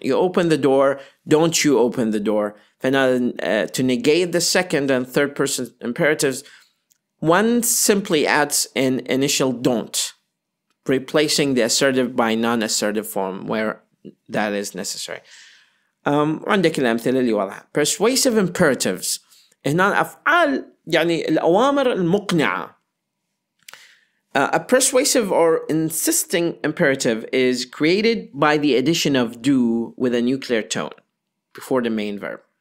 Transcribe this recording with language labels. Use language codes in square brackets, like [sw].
[en] You open the door, don't you open the door. To negate the second and third person imperatives, one simply adds an initial don't, replacing the assertive by non-assertive form where that is necessary. [ar] عندك الأمثلة اللي وضعها. [en] Persuasive imperatives. [ar] هنا أفعال يعني الأوامر المقنعة. [en] A persuasive or insisting imperative is created by the addition of do with a nuclear tone before the main verb.